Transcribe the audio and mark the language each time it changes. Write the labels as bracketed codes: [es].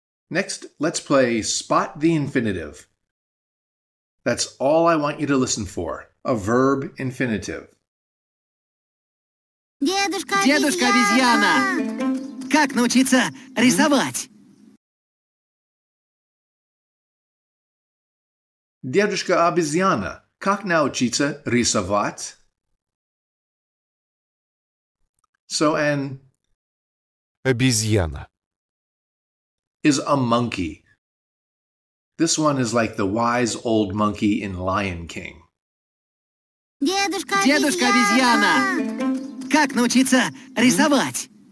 [en] Next, let's play Spot the Infinitive. That's all I want you to listen for, a verb infinitive. [ru] Дедушка обезьяна! Как научиться рисовать? Дедушка обезьяна, как научиться рисовать? [en] So an [ru] обезьяна [en] is a monkey. This one is like the wise old monkey in Lion King. [ru] Дедушка обезьяна! Как научиться рисовать?